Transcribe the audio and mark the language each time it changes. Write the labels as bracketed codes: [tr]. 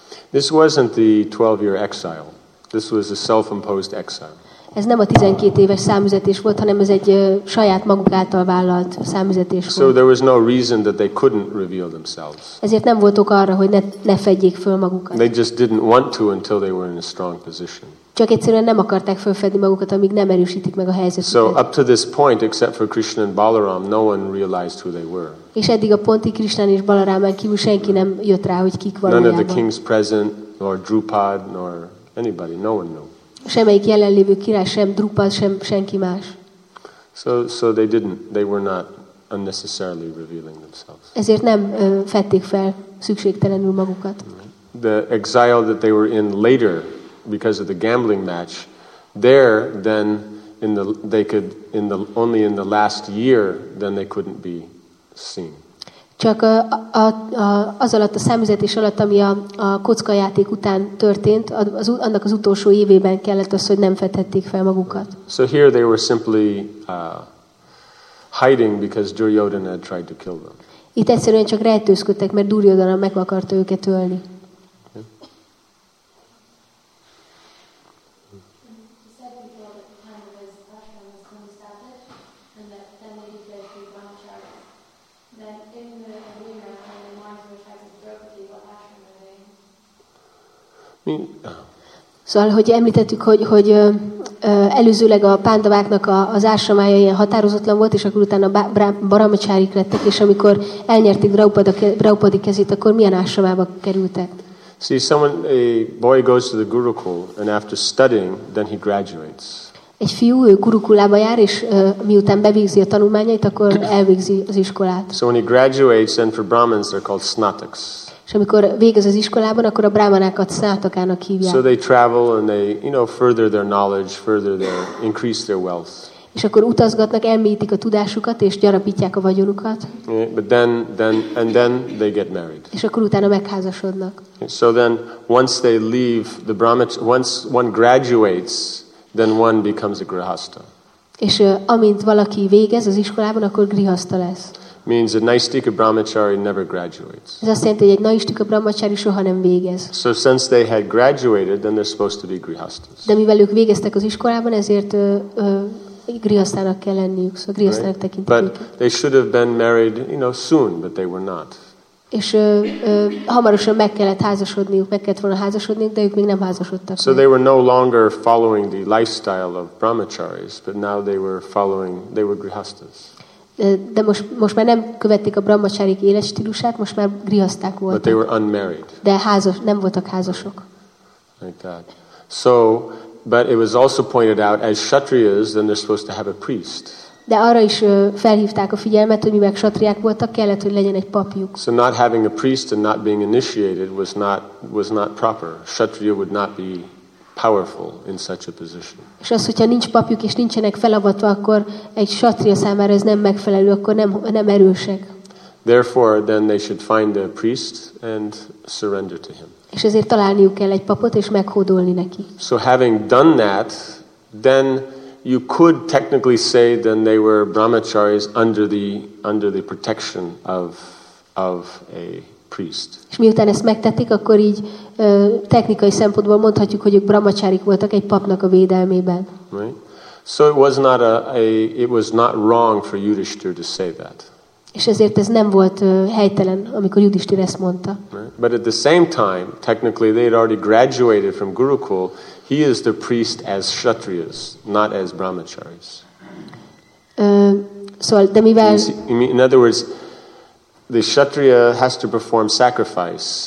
[en] This wasn't the 12-year exile. This was a self-imposed exile. [hu] Ez nem a 12 éves számüzetés volt, hanem ez egy saját maguk által vállalt számüzetés volt. [en] So there was no reason that they couldn't reveal themselves. [hu] Ezért nem voltok arra, hogy ne fedjék föl magukat. [en] They just didn't want to until they were in a strong position. [hu] Csak egyszerűen nem akarták fölfedni magukat, amíg nem erősítik meg a helyzetet. [en] So up to this point, except for Krishna and Balaram, no one realized who they were. [hu] És eddig a pontig Krishna és Balarámán kívül senki nem jött rá, hogy kik valójában. [en] None of the kings present, nor Drupad, nor anybody, no one knew. [hu] Semmelyik jelenlévő király, sem Drupad, sem senki más. [en] So they didn't, they were not unnecessarily revealing themselves. [hu] Ezért nem fették fel szükségtelenül magukat. [en] The exile that they were in later, because of the gambling match, there then in the they could in the only in the last year then they couldn't be seen. [hu] Csak az alatt, a számüzetés alatt, ami a kockajáték után történt, annak az utolsó évében kellett az, hogy nem fedhették fel magukat. [en] So here they were simply hiding because Duryodhana had tried to kill them. [hu] Itt egyszerűen csak rejtőzködtek, mert Duryodhana meg akarta őket ölni. Szóval, hogy említettük, hogy előzőleg a pándaváknak az ásramája ilyen határozatlan volt, és akkor utána brahmacsárik lettek, és amikor elnyerték Draupadi kezét, akkor milyen ásramába kerültek? [en] See, someone, a boy goes to the gurukul, and after studying, then he graduates. [hu] Egy fiú, ő gurukulába jár, és miután bevégzi a tanulmányait, akkor elvégzi az iskolát. [en] So when he graduates, then for Brahmins they're called snataks. [hu] És amikor végez az iskolában, akkor a brámanákat snátakának hívják. [en] So they travel and they, you know, further their knowledge, further their increase their wealth. [hu] És akkor utazgatnak, elmélyítik a tudásukat és gyarapítják a vagyonukat. [en] Yeah, but then they get married. [hu] És akkor utána megházasodnak. [en] So then once they leave the brahmach, once one graduates, then one becomes a grihastha. [hu] És amint valaki végez az iskolában, akkor grihastha lesz. [en] Means a naistika brahmachari never graduates. [hu] Ez azt jelenti, hogy egy naistika brahmachari soha nem végez. [en] So since they had graduated, then they're supposed to be grihasthas. [hu] De mivel ők végeztek az iskolában, ezért grihasztának kell lenniük, szóval grihasztának tekintik őket. [en] But they should have been married, you know, soon, but they were not. [hu] És hamarosan meg kellett volna házasodniuk, de ők még nem házasodtak. [en] So they were no longer following the lifestyle of brahmacharis, but now they were grihasthas. [hu] De most már nem követték a brahmacharik életstílusát, most már grihaszták voltak. [en] But they were unmarried. [hu] De házas, nem voltak házasok. [en] Like that. So, but it was also pointed out, as kshatriyas, then they're supposed to have a priest. [hu] De arra is felhívták a figyelmet, hogy mivel ksatriák voltak, kellett, hogy legyen egy papjuk. [en] So not having a priest and not being initiated was not proper. Kshatriya would not be powerful in such a position. [hu] És az, hogyha nincs papjuk és nincsenek felavatva, akkor egy ksatria számára ez nem megfelelő, akkor nem erősek. [en] Therefore, then they should find a priest and surrender to him. [hu] És ezért találniuk kell egy papot és meghódolni neki. [en] So having done that, then you could technically say then they were brahmacharis under the protection of a priest. [hu] És miután ezt megtették, akkor így technikai szempontból mondhatjuk, hogy ők brahmacharik voltak egy papnak a védelmében. [en] Right. So it was not it was not wrong for Yudhishthira to say that. [hu] És ezért ez nem volt helytelen, amikor Yudhishthir ezt mondta. [en] But at the same time, technically they had already graduated from Gurukul. He is the priest as kshatriyas, not as brahmacharis. In other words, the kshatriya has to perform sacrifice.